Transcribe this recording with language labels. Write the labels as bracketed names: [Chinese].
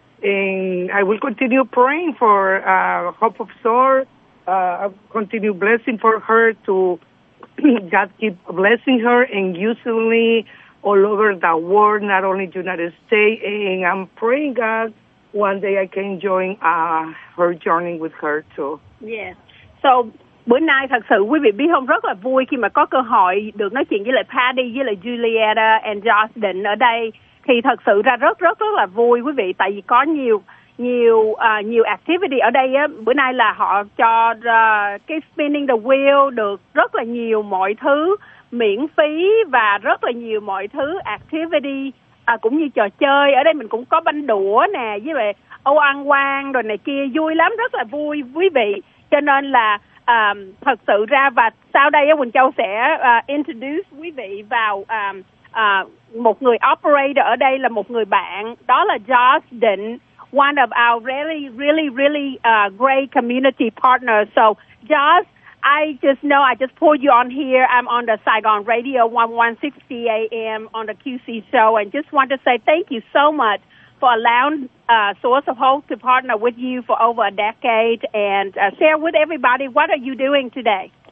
[English] And I will continue praying for Hope of Soar. Continue blessing for her to God keep blessing her and using me all over the world, not only United States. And I'm praying God one day I can join her journey with her too. Yeah. [Vietnamese] So bữa nay thật sự quý vị biết không, rất là vui khi mà có cơ hội được nói chuyện với lại Patty, với lại Julieta and Josh Định ở đây. Thì thật sự ra rất là vui quý vị, tại vì có nhiều activity ở đây á. Bữa nay là họ cho cái spinning the wheel được rất là nhiều mọi thứ miễn phí và rất là nhiều mọi thứ activity cũng như trò chơi. Ở đây mình cũng có bánh đũa nè, với lại ô ăn quan rồi này kia, vui lắm, rất là vui quý vị. Cho nên là thật sự ra. Và sau đây Quỳnh Châu sẽ introduce quý vị vào một người operator ở đây, là một người bạn, đó là Josh Định, [English] one of our really, really, really great community partners. So, Josh, I just know I just pulled you on here. I'm on the Saigon Radio 1160 AM on the QC show, and just want to say thank you so much for allowing Source of Hope to partner with you for over a decade, and share with everybody, what are you doing today?